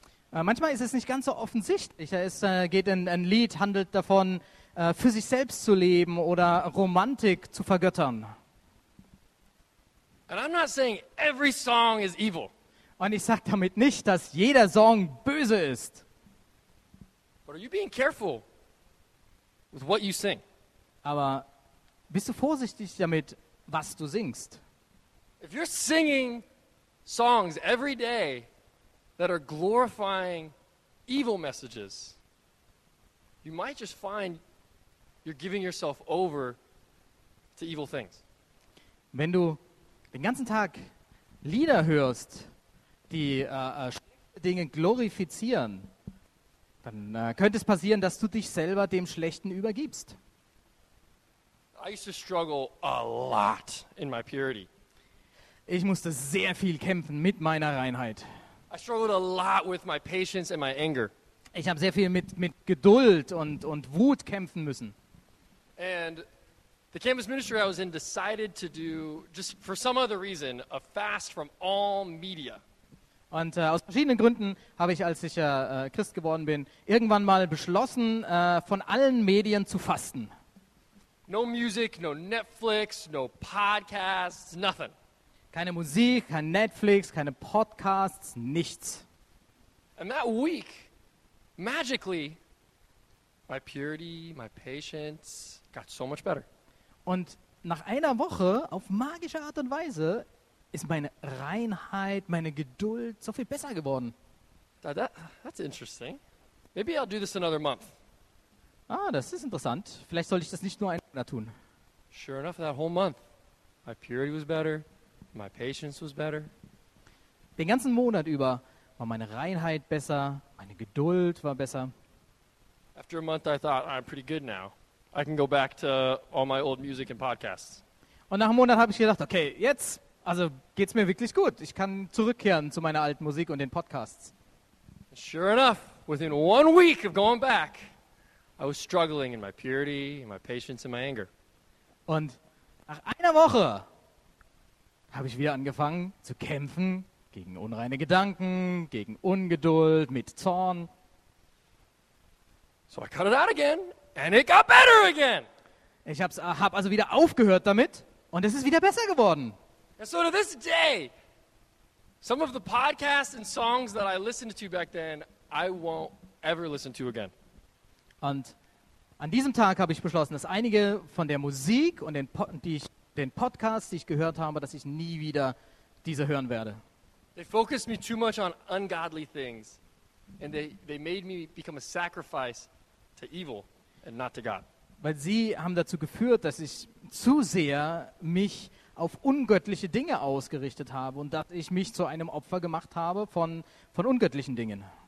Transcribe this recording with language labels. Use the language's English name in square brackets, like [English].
[German] Manchmal ist es nicht ganz so offensichtlich. Es geht ein Lied handelt davon, für sich selbst zu leben oder Romantik zu vergöttern. [English] And I'm not saying every song is evil. [German] Und ich sage damit nicht, dass jeder Song böse ist. [English] But are you being careful with what you sing? [German] Aber bist du vorsichtig damit, was du singst? [English] If you're singing songs every day that are glorifying evil messages, you might just find you're giving yourself over to evil things. [German] Wenn du den ganzen Tag Lieder hörst, die Dinge glorifizieren, dann könnte es passieren, dass du dich selber dem Schlechten übergibst. [English] I used to struggle a lot in my purity. [German] Ich musste sehr viel kämpfen mit meiner Reinheit. [English] I struggled a lot with my patience and my anger. [German] Ich habe sehr viel mit Geduld und Wut kämpfen müssen. [English] And the campus ministry I was in decided to do, just for some other reason, a fast from all media. [German] Und aus verschiedenen Gründen habe ich, als ich Christ geworden bin, irgendwann mal beschlossen, von allen Medien zu fasten. [English] No music, no Netflix, no podcasts, nothing. [German] Keine Musik, kein Netflix, keine Podcasts, nichts. [English] And that week, magically, my purity, my patience got so much better. [German] Und nach einer Woche, auf magische Art und Weise, ist meine Reinheit, meine Geduld so viel besser geworden. [English] That's interesting. Maybe I'll do this another month. [German] Ah, das ist interessant. Vielleicht sollte ich das nicht nur einen Monat tun. [English] Sure enough, that whole month, my purity was better, my patience was better. [German] Den ganzen Monat über war meine Reinheit besser, meine Geduld war besser. [English] After a month, I thought, I'm pretty good now. I can go back to all my old music and podcasts. [German] Und nach einem Monat habe ich gedacht, okay, jetzt, also geht's mir wirklich gut. Ich kann zurückkehren zu meiner alten Musik und den Podcasts. [English] Sure enough, within 1 week of going back, I was struggling in my purity, in my patience, in my anger. [German] Und nach einer Woche habe ich wieder angefangen zu kämpfen gegen unreine Gedanken, gegen Ungeduld, mit Zorn. [English] So I cut it out again, and it got better again. [German] Ich hab also wieder aufgehört damit, und es ist wieder besser geworden. [English] And so to this day, some of the podcasts and songs that I listened to back then, I won't ever listen to again. [German] Und an diesem Tag habe ich beschlossen, dass einige von der Musik und den Podcasts, die ich gehört habe, dass ich nie wieder diese hören werde. [English] They focused me too much on ungodly things, and they made me become a sacrifice to evil and not to God. [German] Weil sie haben dazu geführt, dass ich zu sehr mich auf ungöttliche Dinge ausgerichtet habe und dass ich mich zu einem Opfer gemacht habe von ungöttlichen Dingen.